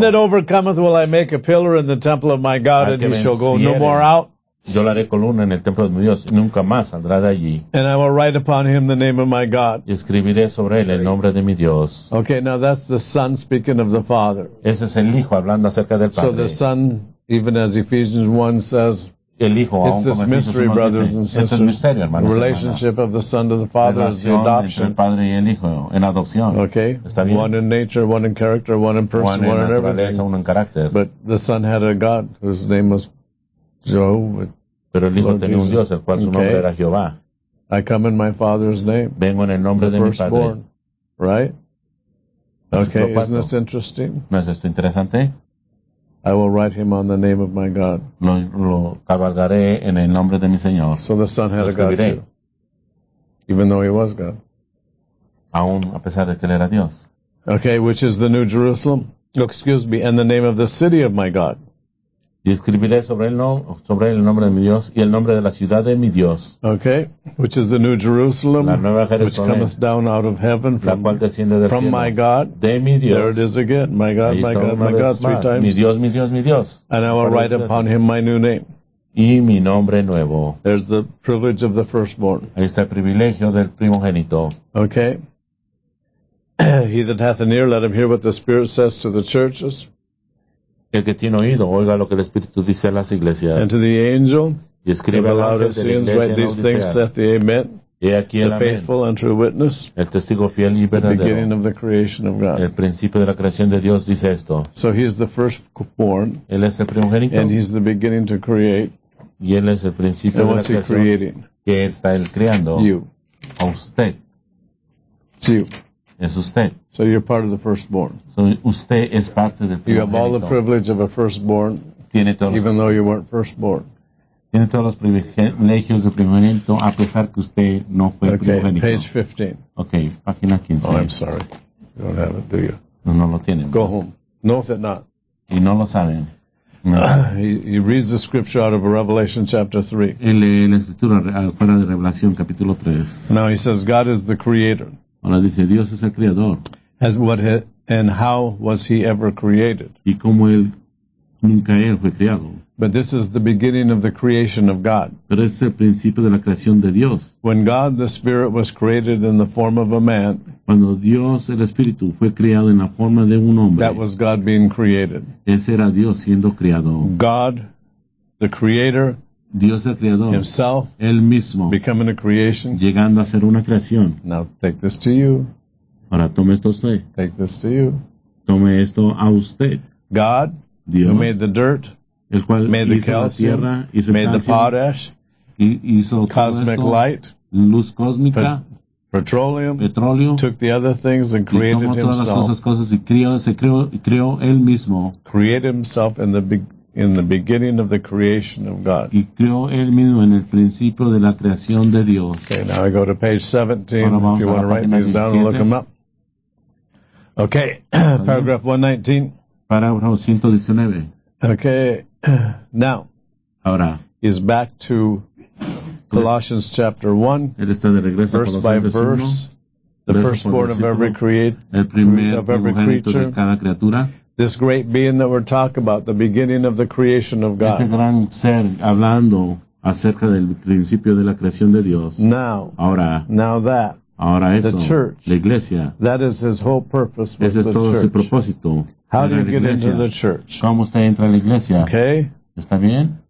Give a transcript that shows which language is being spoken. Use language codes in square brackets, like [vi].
[en] That overcometh will I make a pillar in the temple of my God, [es] al [en] and he shall go no more out. [es] Yo la haré columna en el templo de mi Dios, nunca más saldrá de allí. [en] And I will write upon him the name of my God. [es] Y escribiré sobre él el nombre de mi Dios. [en] Okay, now that's the Son speaking of the Father. [es] Ese es el Hijo hablando acerca del Padre. [en] So the Son, even as Ephesians 1 says, [es] el Hijo, [en] it's this mystery, brothers and sisters. [es] Es el misterio, hermanos. [en] Relationship of the Son to the Father is the adoption. [es] Entre el Padre y el Hijo, en adopción. [en] Okay, [es] está bien. [en] One in nature, one in character, one in person, one in everything. [es] Uno en naturaleza, uno en carácter. [en] But the Son had a God whose name was Jehovah. [es] Pero el Hijo tenía un Dios, el cual su nombre era Jehová. [en] I come in my Father's name. [es] Vengo en el nombre de mi Padre. [en] Right? Okay, isn't this interesting? [es] ¿No es esto interesante? [en] I will write him on the name of my God. [es] Lo cabalgaré en el nombre de mi Señor. [en] So the Son had a God too. Even though he was God. [es] Aún a pesar de que él era Dios. [en] Okay, which is the New Jerusalem. Excuse me, and the name of the city of my God. [es] Y escribiré sobre él, sobre el nombre de mi Dios y el nombre de la ciudad de mi Dios. [en] Okay, which is the New Jerusalem, [es] la nueva Jerusalén, [en] which cometh down out of heaven [es] from, la cual desciende del [en] from [es] cielo, [en] my God. [es] De mi Dios. [en] There it is again, my God, [es] ahí [en] my God, my God, [es] más. [en] Three times. [es] Mi Dios, mi Dios, mi Dios. [en] And I will write upon him my new name. [es] Y mi nombre nuevo. [en] There's the privilege of the firstborn. [es] Ahí está el privilegio del primogénito. [en] Okay. He that hath an ear, let him hear what the Spirit says to the churches. [es] El que tiene oído, oiga lo que el Espíritu dice a las iglesias. [en] And to the angel, [es] y escribe [en] the Laodiceans, write these things, saith the Amen, [es] y aquí el [en] the faithful [es] amen, [en] and true witness, [es] el testigo fiel y verdadero, [en] the beginning of the creation of God. [es] El principio de la creación de Dios dice esto. [en] So he is the firstborn, [es] él es el primogénito, [en] and he's the beginning to create, [es] y él es el principio [en] and [es] de la creación, que él está él creando, [en] you. [es] A usted. [en] It's you. [es] Es usted. [en] So you're part of the firstborn. [es] So usted es parte del primogénito. [en] You have all the privilege of a firstborn, [es] tiene todos [en] even though you weren't firstborn. [es] Tiene todos los privilegios del primogénito, a pesar que usted no fue [en] okay, [es] primogénito. [en] Okay, page 15. [es] Okay, página 15. [en] Oh, I'm sorry. You don't have it, do you? [es] No, no lo tienen. [en] Go home. Knoweth it not. [es] Y no lo saben. No. [en] He reads the scripture out of Revelation chapter 3. [es] Él lee la escritura fuera de Revelación, capítulo 3. [en] Now he says, God is the creator. [es] Ahora dice, Dios es el creador. [en] As what and how was he ever created? [es] Y cómo él, nunca él fue creado. [en] But this is the beginning of the creation of God. [es] Pero es el principio de la creación de Dios. [en] When God the Spirit was created in the form of a man, [es] cuando Dios el Espíritu fue creado en la forma de un hombre, [en] that was God being created. [es] Ese era Dios siendo creado. [en] God, the Creator, [es] Dios el Creador, [en] himself, [es] él mismo, [en] becoming a creation, [es] llegando a ser una creación. [en] Now take this to you. [es] Ahora tome esto a usted. [en] Take this to you. [es] Tome esto a usted. [en] God, [es] Dios, [en] who made the dirt, [es] el cual [en] made [es] hizo [en] the calcium, [es] la tierra, hizo [en] made calcium, the potash, [es] hizo [en] cosmic [es] esto, [en] light, [es] luz cósmica, [en] petroleum, [es] petróleo, [en] took the other things and created [es] y todas [en] himself. [es] Las cosas y creó él mismo. [en] Created himself in the beginning. In the beginning of the creation of God. [es] Y creó él mismo en el principio de la creación de Dios. [en] Okay, now I go to page 17. [es] Bueno, [en] if you want to write these down and look them up. Okay, paragraph 119. [es] Parágrafo 119. [en] Okay, now. [es] Ahora. [en] He's back to Colossians chapter 1. [es] Él está de regreso [en] verse [es] a Colosenses [en] by verse. [es] Uno, [en] the firstborn of every [es] el primer [en] of every creature. [es] De cada criatura. [en] This great being that we're talking about, the beginning of the creation of God. [es] Ese gran ser hablando acerca del principio de la creación de Dios. [en] Now. [es] Ahora. [en] Now that. [es] Ahora eso. [en] The church. [es] La iglesia. [en] That is his whole purpose with [es] ese [en] the [es] todo [en] church. [es] Su propósito. [en] How do you get into the church? [es] ¿Cómo usted entra a la iglesia? [en] Okay. [es] ¿Está bien?